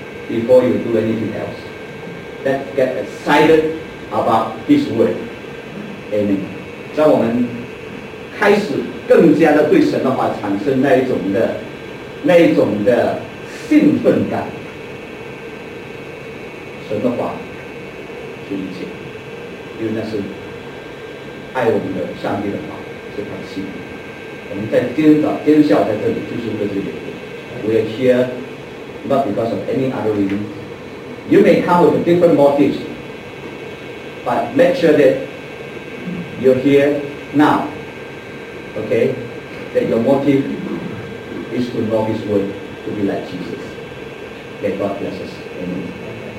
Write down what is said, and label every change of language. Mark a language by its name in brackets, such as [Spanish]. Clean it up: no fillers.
[English] Before you do anything else, let's get excited about His word. Amen. [Chinese] 让我们开始更加的对神的话产生那一种的兴奋感。神的话是一切，因为那是爱我们的上帝的话，是他的心。我们在今天在这里就是为这个原因。 [English] We are here. Not because of any other reason. You may come with a different motive, but make sure that you're here now, okay? That your motive is to know His word, to be like Jesus. May God bless us. Amen.